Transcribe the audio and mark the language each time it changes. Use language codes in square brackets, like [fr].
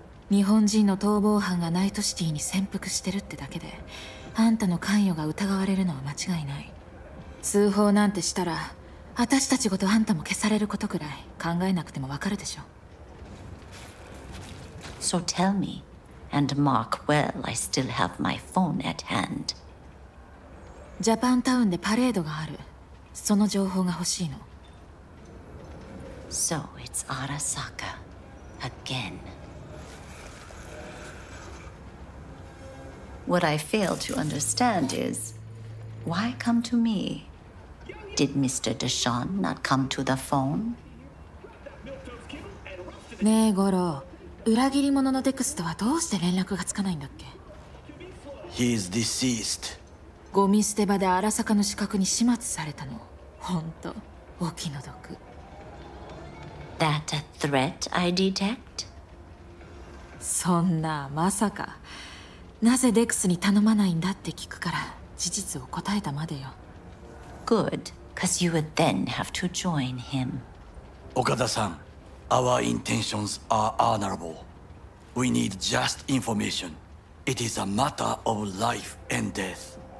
[ja] 日本人の逃亡犯がナイトシティに潜伏してるってだけで、あんたの関与が疑われるのは間違いない。通報なんてしたら、私たちごとあんたも消されることくらい考えなくてもわかるでしょ。 [en] So tell me. And mark well, I still have my phone at hand. [ja] Japan Town でパレードがある。その情報が欲しいの。 [en] So it's Arasaka again. What I fail to understand is, why come to me? Did Mr. Deshawn not come to the phone? [ja] ねえ、ゴロ。裏切り者のデクスとはどうして連絡がつかないんだっけ [en] He's deceased. [ja] ゴミ捨て場で荒坂の死角に始末されたの。本当、お気の毒。 [en] That a threat I detect? [ja] そんな、まさか。なぜデクスに頼まないんだって聞くから、事実を答えたまでよ。 [en] Good, cause you would then have to join him. 岡田さん。Our intentions are honorable. We need just information. It is a matter of life and death.